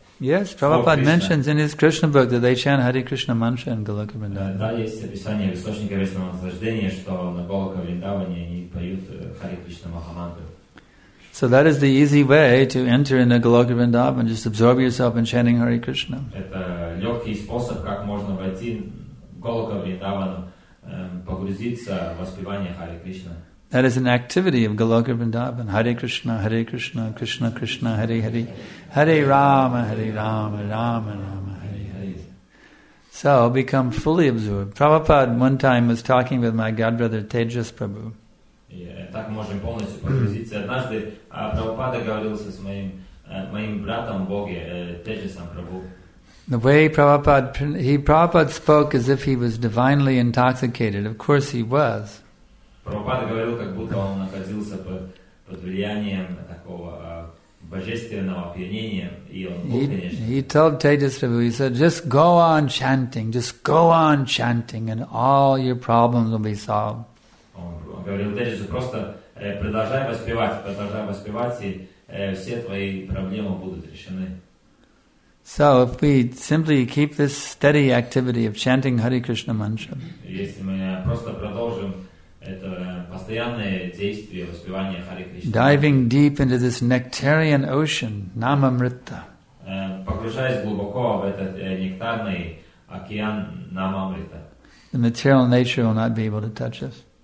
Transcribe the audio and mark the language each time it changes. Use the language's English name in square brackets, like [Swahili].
[English] Yes, Prabhupada mentions in his Krishna book that they chant Hare Krishna mantra in Goloka Vrindavan. [Russian] Да, есть описание в источнике вечного наслаждения, что на Голока Вриндаване они поют Hare Krishna Махамантру. [English] So that is the easy way to enter into Goloka Vrindavan, just absorb yourself in chanting Hare Krishna. [Russian] Это легкий способ, как можно войти в Голока Вриндаван, погрузиться в воспевание Hare Krishna. [English] That is an activity of Goloka Vrindavan. Hare Krishna, Krishna Krishna, Hare Hare, Hare Rama, Rama Rama, Hare Hare. So become fully absorbed. Prabhupada one time was talking with my godbrother Tejas Prabhu. [Russian] так можем полностью погрузиться. Однажды Прабхупада говорился с моим братом Боге, теже сам Прабху. [English] The way Prabhupada spoke as if he was divinely intoxicated. Of course he was. [Russian] Prabhupada говорил, как будто он находился под влиянием такого божественного опьянения, и он был, [English] He told Tejasvi, he said, just go on chanting, and all your problems will be solved. [Russian] Он говорил Тейджесу, просто продолжай воспевать, и все твои проблемы будут решены. [English] So if we simply keep this steady activity of chanting Hare Krishna mantra, diving deep into this nectarian ocean, Namamrita, the material nature will not be able to touch us.